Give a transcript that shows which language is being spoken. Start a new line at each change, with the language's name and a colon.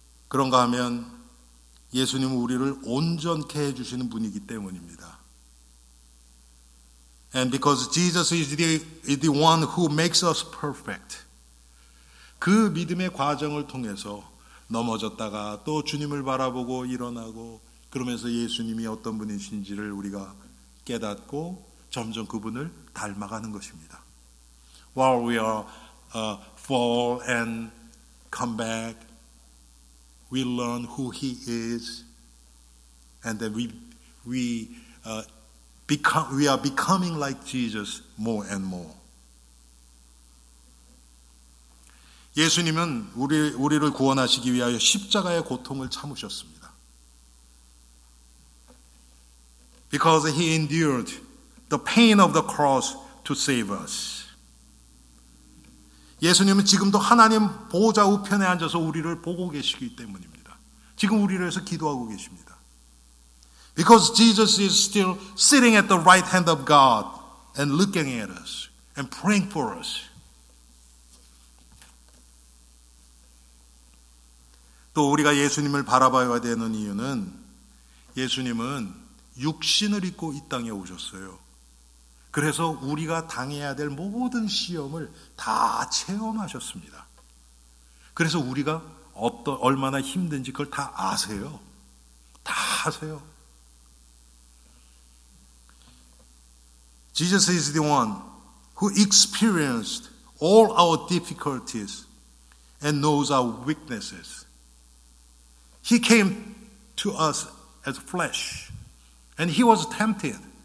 Korean: Then, 예수님은 우리를 온전케 해주시는 분이기 때문입니다.
English: And because Jesus is the one who makes us perfect.
Korean: 그 믿음의 과정을 통해서 넘어졌다가 또 주님을 바라보고 일어나고 그러면서 예수님이 어떤 분이신지를 우리가 깨닫고 점점 그분을 닮아가는 것입니다.
English: While we are fall and come back, we learn who he is and then we are becoming like Jesus more and more.
Korean: 예수님은 우리를 구원하시기 위하여 십자가의 고통을 참으셨습니다.
English: Because he endured the pain of the cross to save us.
Korean: 예수님은 지금도 하나님 보좌 우편에 앉아서 우리를 보고 계시기 때문입니다. 지금 우리를 위해서 기도하고 계십니다.
English: Because Jesus is still sitting at the right hand of God and looking at us and praying for us.
Korean: 또 우리가 예수님을 바라봐야 되는 이유는 예수님은 육신을 입고 이 땅에 오셨어요. 그래서 우리가 당해야 될 모든 시험을 다 체험하셨습니다. 그래서 우리가 얼마나 힘든지 그걸 다 아세요. 다 아세요.
English: Jesus is the one who experienced all our difficulties and knows our weaknesses. He came to us as flesh and he was tempted.